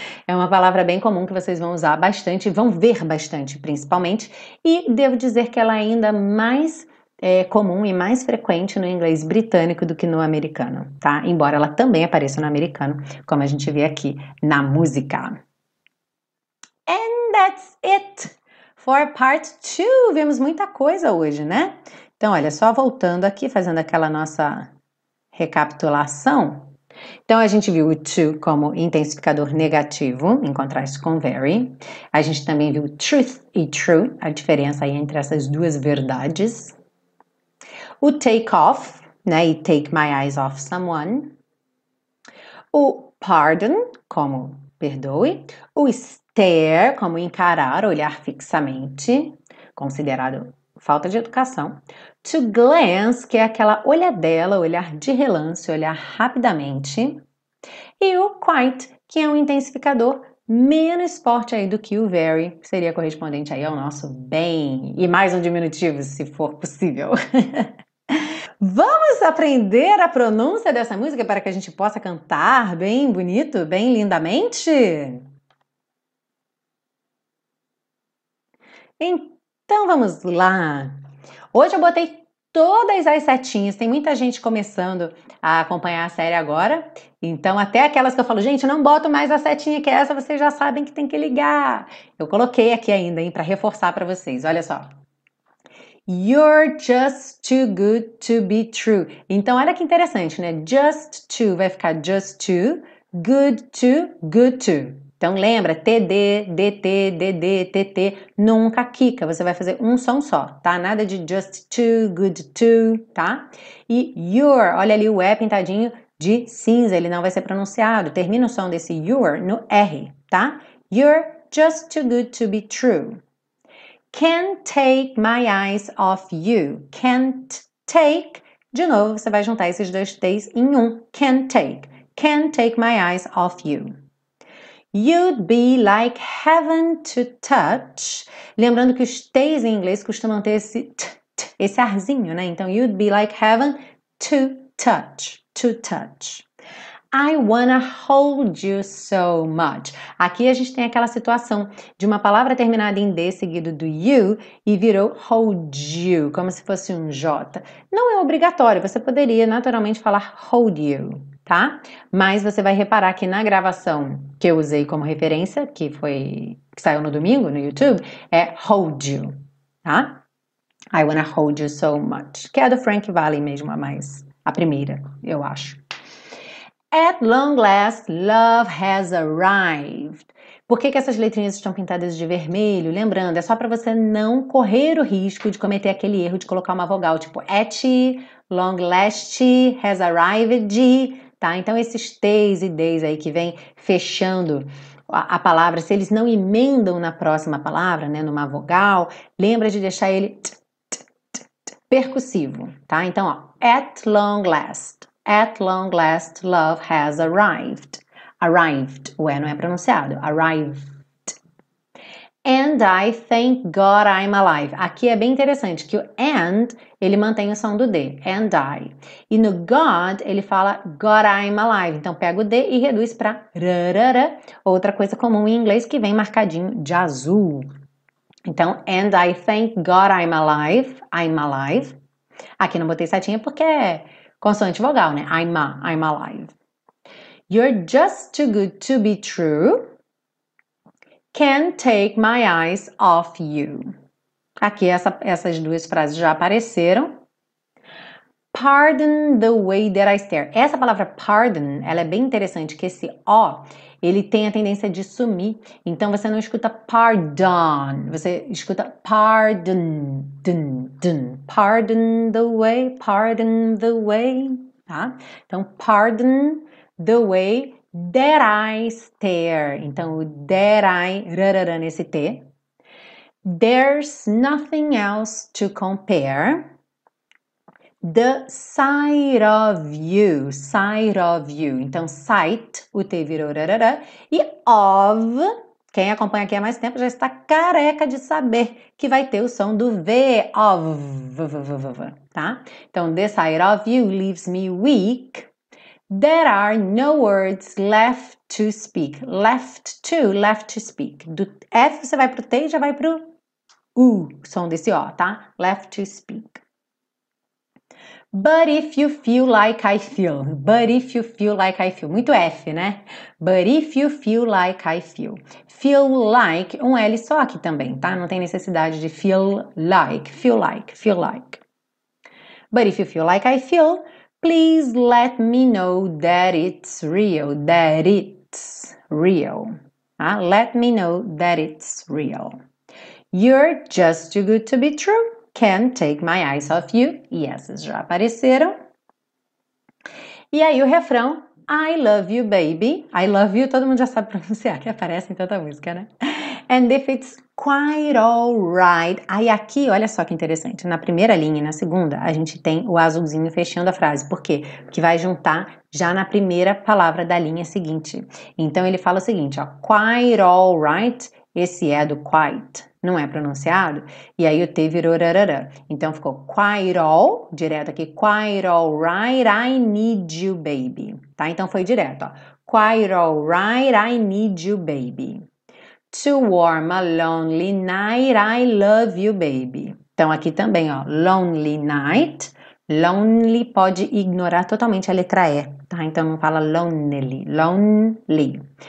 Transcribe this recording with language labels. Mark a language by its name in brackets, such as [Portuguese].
[Portuguese] É uma palavra bem comum que vocês vão usar bastante, vão ver bastante, principalmente, e devo dizer que ela é ainda mais comum e mais frequente no inglês britânico do que no americano, tá? Embora ela também apareça no americano, como a gente vê aqui na música. [English] And that's it for part two. [Portuguese] Vimos muita coisa hoje, né? Então, olha, só voltando aqui, fazendo aquela nossa recapitulação. Então, a gente viu o to como intensificador negativo, em contraste com very. A gente também viu truth e true, a diferença aí entre essas duas verdades. [English] O take off, né, e take my eyes off someone. [Portuguese] O pardon, como perdoe. O stare, como encarar, olhar fixamente, considerado falta de educação. To glance, que é aquela olhadela, olhar de relance, olhar rapidamente. E o quite, que é um intensificador menos forte aí do que o very, que seria correspondente aí ao nosso bem. E mais um diminutivo, se for possível. Vamos aprender a pronúncia dessa música para que a gente possa cantar bem bonito, bem lindamente? Então vamos lá. Hoje eu botei todas as setinhas, tem muita gente começando a acompanhar a série agora. Então, até aquelas que eu falo, gente, não boto mais a setinha que é essa, vocês já sabem que tem que ligar. Eu coloquei aqui ainda, hein, para reforçar para vocês. Olha só. [English] You're just too good to be true. [Portuguese] Então, olha que interessante, né? Just too vai ficar just too, good to, good to. Então, lembra, TD, DT, DD, TT, nunca quica. Você vai fazer um som só, tá? Nada de just too, good to, tá? E your, olha ali o E pintadinho de cinza, ele não vai ser pronunciado. Termina o som desse your no R, tá? You're [English] just too good to be true. Can't take my eyes off you. Can't take. [Portuguese] De novo, você vai juntar esses dois T's em um. [English] Can't take. Can't take my eyes off you. You'd be like heaven to touch. [Portuguese] Lembrando que os T's em inglês costumam ter esse t, t, esse arzinho, né? [English] Então, you'd be like heaven to touch. To touch. I wanna hold you so much. [Portuguese] Aqui a gente tem aquela situação de uma palavra terminada em D seguido do you e virou hold you, como se fosse um J. Não é obrigatório, você poderia naturalmente falar hold you, tá? Mas você vai reparar que na gravação que eu usei como referência, que saiu no domingo no YouTube, é hold you, tá? [English] I wanna hold you so much. [Portuguese] Que é do Frank Valli mesmo, a primeira, eu acho. [English] At long last, love has arrived. [Portuguese] Por que que essas letrinhas estão pintadas de vermelho? Lembrando, é só para você não correr o risco de cometer aquele erro de colocar uma vogal, tipo at, long last, has arrived, tá? Então, esses T's e D's aí que vem fechando a palavra, se eles não emendam na próxima palavra, né, numa vogal, lembra de deixar ele t, t, t, t, percussivo, tá? [English] Então, ó, at long last. At long last, love has arrived. Arrived. [Portuguese] Ué, não é pronunciado. [English] Arrived. And I thank God I'm alive. [Portuguese] Aqui é bem interessante que o and, ele mantém o som do D. And I. E no God, ele fala God I'm alive. Então, pega o D e reduz pra rarara. Outra coisa comum em inglês que vem marcadinho de azul. [English] Então, and I thank God I'm alive. I'm alive. [Portuguese] Aqui não botei setinha porque consoante vogal, né? [English] I'm alive. You're just too good to be true. Can't take my eyes off you. [Portuguese] Aqui essas duas frases já apareceram. [English] Pardon the way that I stare. [Portuguese] Essa palavra pardon, ela é bem interessante, que esse O, ele tem a tendência de sumir. Então, você não escuta pardon. Você escuta pardon, dun, dun. [English] Pardon the way, pardon the way. Tá? Então, pardon the way that I stare. Então, o that I, rarara, nesse T. There's nothing else to compare. The sight of you, sight of you. [Portuguese] Então, sight, o T virou rarara. E of, quem acompanha aqui há mais tempo já está careca de saber que vai ter o som do V, of, v, v, v, v, v, tá? [English] Então, the sight of you leaves me weak. There are no words left to speak. Left to speak. [Portuguese] Do F você vai pro T e já vai pro U, som desse O, tá? Left to speak. [English] But if you feel like I feel, but if you feel like I feel, muito F, né? But if you feel like I feel, feel like, [Portuguese] um L só aqui também, tá? Não tem necessidade de feel like, feel like, feel like. [English] But if you feel like I feel, please let me know that it's real, that it's real. Huh? Let me know that it's real. You're just too good to be true. Can't take my eyes off you. [Portuguese] E essas já apareceram. E aí o refrão. [English] I love you, baby. I love you. [Portuguese] Todo mundo já sabe pronunciar que aparece em tanta música, né? [English] And if it's quite alright. [Portuguese] Aí aqui, olha só que interessante. Na primeira linha e na segunda, a gente tem o azulzinho fechando a frase. Por quê? Porque vai juntar já na primeira palavra da linha seguinte. Então ele fala o seguinte, ó. Quite alright. Esse é do quite. Não é pronunciado? E aí o T virou rarara. Então ficou [English] quite all, direto aqui, quite all right, I need you, baby. [Portuguese] Tá? Então foi direto, ó. [English] Quite all right, I need you, baby. To warm a lonely night, I love you, baby. [Portuguese] Então aqui também, ó, lonely night. Lonely pode ignorar totalmente a letra E, tá? Então não fala lonely, lonely.